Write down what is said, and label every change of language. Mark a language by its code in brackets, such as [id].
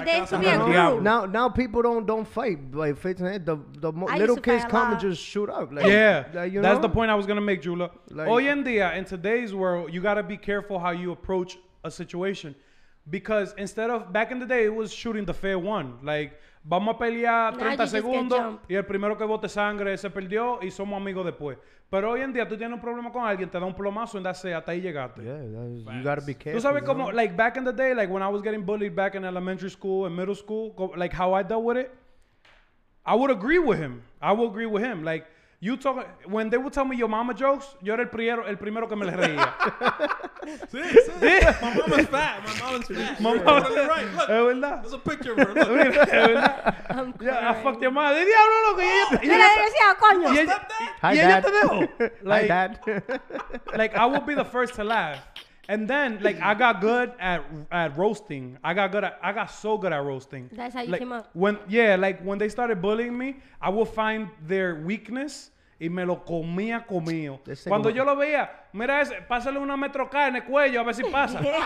[en] Now people don't fight. Like, little kids come and just shoot up. Like, yeah. Like, you know? That's the point I was going to make, Jula. Like, [es] hoy en día, [en] in today's world, you got to be careful how you approach a situation. Because instead of, back in the day, it was shooting the fair one. [es] Like, vamos a pelear 30 segundos. Y el primero que bote sangre se perdió y somos amigos después. Pero hoy en día tú tienes un problema con alguien, te da un plomazo y hasta ahí llegaste. [en] Yeah, you gotta be careful. [es] Tú sabes cómo, [en] like back in the day, like when I was getting bullied back in elementary school and middle school, like how I dealt with it, I would agree with him. Like, you talk, when they would tell me your mama jokes, [es] yo era el primero que me le reía. [en] Sí. My mama's fat. You're totally right. Look, [es] es verdad. [en] There's a picture of her. Look. Yeah, I fucked your mother. [es] Diablo, loco. [en] Oh, [es] yo le decía, coño. Y ella te dejo. [en] Hi, dad. Like, I would be the first to laugh. And then, like, I got good at roasting. I got so good at roasting. That's how you like, came up. When they started bullying me, I would find their weakness [es] y me lo comía comido. Cuando yo lo veía, mira ese, pásale una metro K en el cuello a ver si pasa.